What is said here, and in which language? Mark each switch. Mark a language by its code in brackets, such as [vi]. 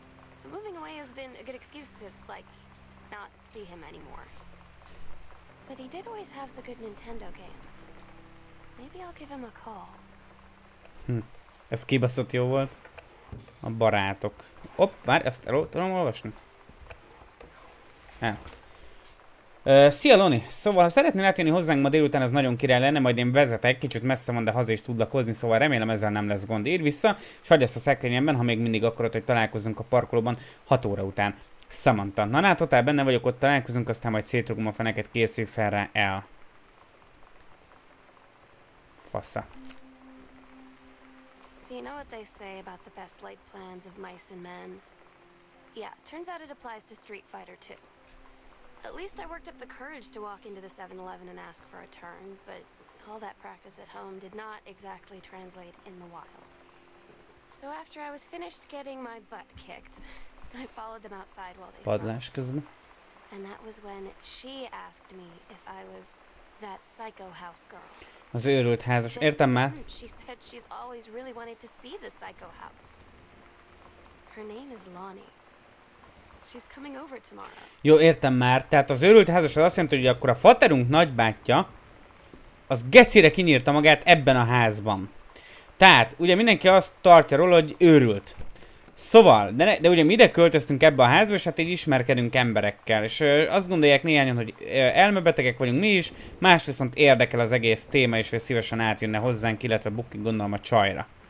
[en] So moving away has been a good excuse to, like, not see him anymore. But he did always have the good Nintendo games. Maybe I'll give him a call. [hu] Ez kibaszott jó volt. A barátok. Hopp, várj, ezt el tudom olvasni. Szia Loni! Szóval ha szeretnél eltérni hozzánk ma délután, ez nagyon király lenne, majd én vezetek, kicsit messze van, de haza is tudlak hozni, szóval remélem ezzel nem lesz gond. Írj vissza, és hagyj ezt a szekrényemben, ha még mindig akarod, hogy találkozunk a parkolóban 6 óra után. Samantha. Na hát, totál benne vagyok, ott találkozunk, aztán majd szétrugom a feneket, készülj fel rá el. Fasza. [en] So you know what they say about the best laid plans of mice and men? Yeah, turns out it applies to Street Fighter 2. At least I worked up the courage to walk into the 7-Eleven and ask for a turn, but all that practice at home did not exactly translate in the wild. So after I was finished getting my butt kicked, I followed them outside while they smiled. And that was when she asked me if I was that psycho house girl. [hu] Az őrült házas. Értem már. [en] She said she's always really wanted to see the psycho house. Her name is Lonnie. She's coming over tomorrow. [hu] Jó, értem már. Tehát az őrült házas az azt jelenti, hogy akkor a faterunk nagybátyja az gecire kinyírta magát ebben a házban. Tehát, ugye mindenki azt tartja róla, hogy őrült. Szóval, de ugye mi ide költöztünk ebbe a házba, és hát így ismerkedünk emberekkel. És azt gondolják néhányan, hogy elmebetegek vagyunk mi is, más viszont érdekel az egész téma, és hogy szívesen átjönne hozzánk, illetve bukik gondolom a csajra.